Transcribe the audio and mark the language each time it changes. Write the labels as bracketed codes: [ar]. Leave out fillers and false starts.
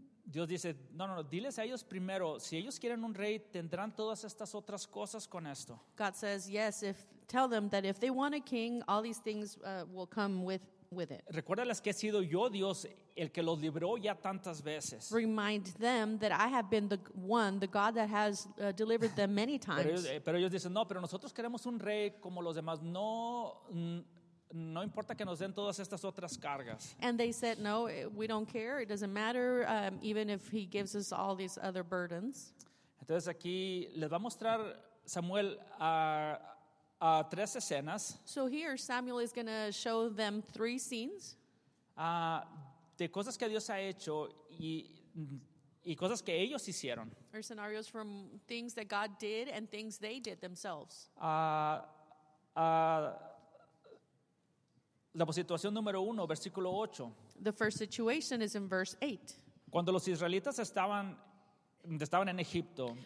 [es] Dios dice, no, diles a ellos primero, si ellos quieren un rey, tendrán todas estas otras cosas con esto. [en] God says, yes, tell them that if they want a king, all these things will come with it. [es] Recuérdales que he sido yo, Dios, el que los libró ya tantas veces. [en] Remind them that I have been the one, the God that has delivered them many times. [es] Pero ellos dicen, no, pero nosotros queremos un rey como los demás, no importa que nos den todas estas otras cargas. [en] And they said, no, we don't care. It doesn't matter, even if he gives us all these other burdens. [es] Entonces aquí les va a mostrar Samuel a tres escenas. [en] So here Samuel is going to show them three scenes. [es] De cosas que Dios ha hecho y cosas que ellos hicieron. [en] Or scenarios from things that God did and things they did themselves. [es] La situación número uno, versículo 8. [en] The first situation is in verse 8. [es] Cuando los israelitas estaban en Egipto.